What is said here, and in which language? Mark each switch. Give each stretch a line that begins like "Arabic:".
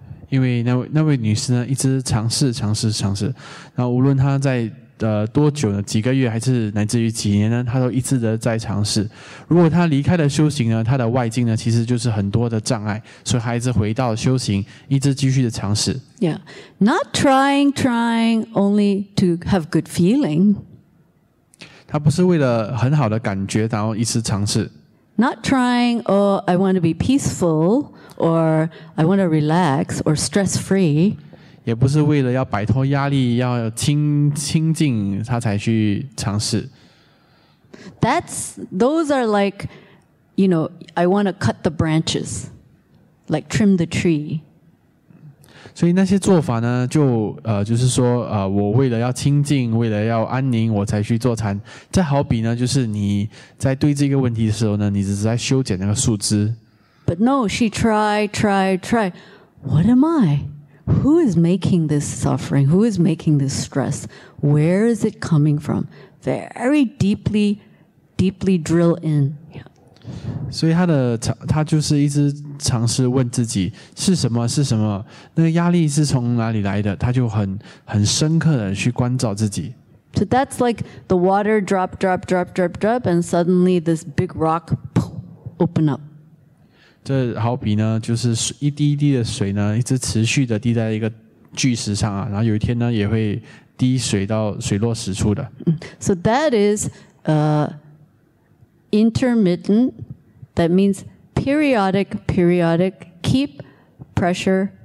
Chinese: 因为那位女士呢一直尝试，然后无论她在多久呢？几个月还是乃至于几年呢？他都一直的在尝试。如果他离开了修行呢，他的外境呢，其实就是很多的障碍。所以他一直回到修行，一直继续的尝试。
English: Yeah, not trying only to have good feeling.
Chinese: 他不是为了很好的感觉，然后一直尝试。
English: Not trying, or I want to be peaceful, or I want to relax, or stress free.
Chinese: 也不是为了要摆脱压力要清静他才去尝试。
English: Those are like, you know, I want to cut the branches. like trim the tree.
Chinese: 所以那些做法呢，就是说，我为了要清静，为了要安宁，我才去坐禅。再好比呢，就是你在对这个问题的时候呢，你只是在修剪那个树枝。
English: But no, she try. What am I? Who is making this suffering? Who is making this stress? Where is it coming from? Very deeply, deeply drill in.
Chinese: 所以他就是一直尝试问自己是什么是什么，那个压力是从哪里来的？他就很深刻的去关照自己。
English: So that's like the water drop, and suddenly this big rock open up.
Chinese: 这好比呢，就是一滴一滴的水呢，一直持续的滴在一个巨石上啊，然后有一天呢，也会滴水到水落石出的。
English: So that is intermittent. That means periodic. Keep pressure.